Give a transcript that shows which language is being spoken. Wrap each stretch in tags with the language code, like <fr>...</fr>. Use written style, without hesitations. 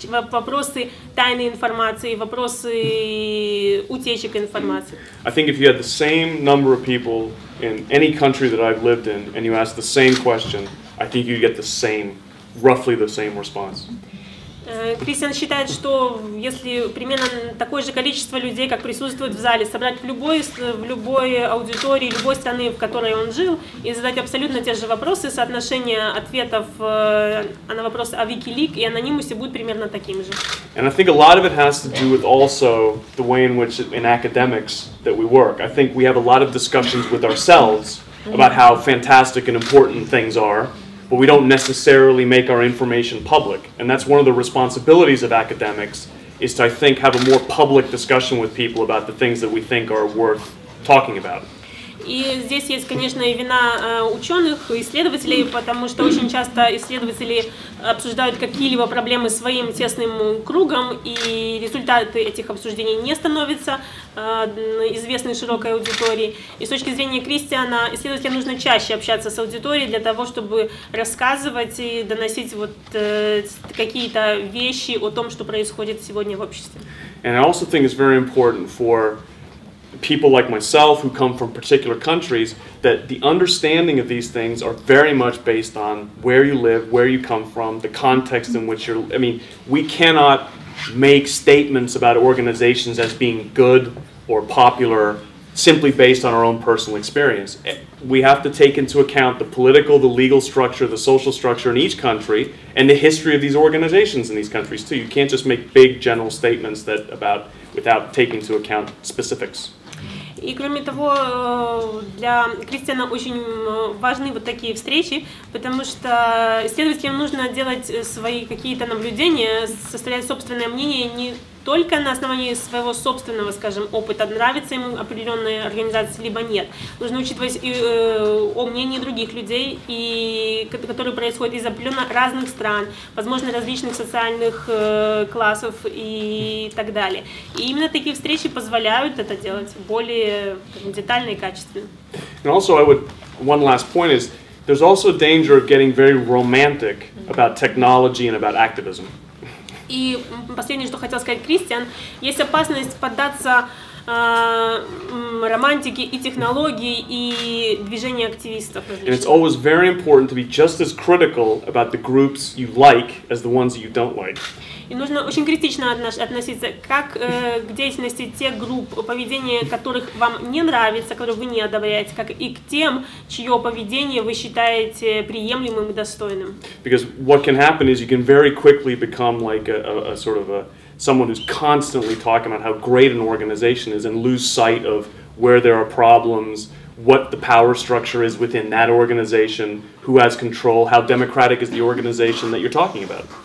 <ru>Вопросы тайной информации, вопросы утечек информации.</ru> <en>I think if you had the same number of people in any country that I've lived in, and you asked the same question, I think you'd get the same, roughly the same response.</en> <ru>Кристиан считает, что если примерно такое же количество людей, как присутствует в зале, собрать в любой аудитории, любой страны, в которой он жил, и задать абсолютно те же вопросы, соотношение ответов на вопрос о Wikileaks и анонимусе будет примерно таким же.</ru> <en>And I think a lot of it has to do with also the way in which in academics that we work. I think we have a lot of discussions with ourselves about how fantastic and important things are. But we don't necessarily make our information public. And that's one of the responsibilities of academics, is to, I think, have a more public discussion with people about the things that we think are worth talking about.</en> <ru>И здесь есть, конечно, и вина ученых, исследователей, потому что очень часто исследователи обсуждают какие-либо проблемы своим тесным кругом, и результаты этих обсуждений не становятся известны широкой аудитории. И с точки зрения Кристиана, исследователям нужно чаще общаться с аудиторией для того, чтобы рассказывать и доносить какие-то вещи о том, что происходит сегодня в обществе.</ru> <en>And I also think it's very important for people like myself who come from particular countries, that the understanding of these things are very much based on where you live, where you come from, the context in which you're... I mean, we cannot make statements about organizations as being good or popular simply based on our own personal experience. We have to take into account the political, the legal structure, the social structure in each country, and the history of these organizations in these countries too. You can't just make big general statements without taking into account specifics.</en> <ru>И кроме того, для Кристиана очень важны вот такие встречи, потому что исследователям нужно делать свои какие-то наблюдения, составлять собственное мнение не только на основании своего собственного, скажем, опыта, нравится ему определенная организация, либо нет. Нужно учитывать и о мнении других людей, и которые происходят из определенно разных стран, возможно, различных социальных классов и так далее. И именно такие встречи позволяют это делать более детально и качественно.</ru> <en>And also, I would, one last point is, There's also a danger of getting very romantic about technology and about activism.</en> <ru>И последнее, что хотел сказать Кристиан, есть опасность поддаться романтике и технологии и движению активистов. Различных.</ru> <en>And it's always very important to be just as critical about the groups you like as the ones you don't like.</en> <ru>И нужно очень критично относиться как к деятельности тех групп, поведение которых вам не нравится, которые вы не одобряете, как и к тем, чье поведение вы считаете приемлемым и достойным.</ru> <en>Because what can happen is you can very quickly become like a sort of a someone who's constantly talking about how great an organization is and lose sight of where there are problems, what the power structure is within that organization, who has control, how democratic is the organization that you're talking about.</en>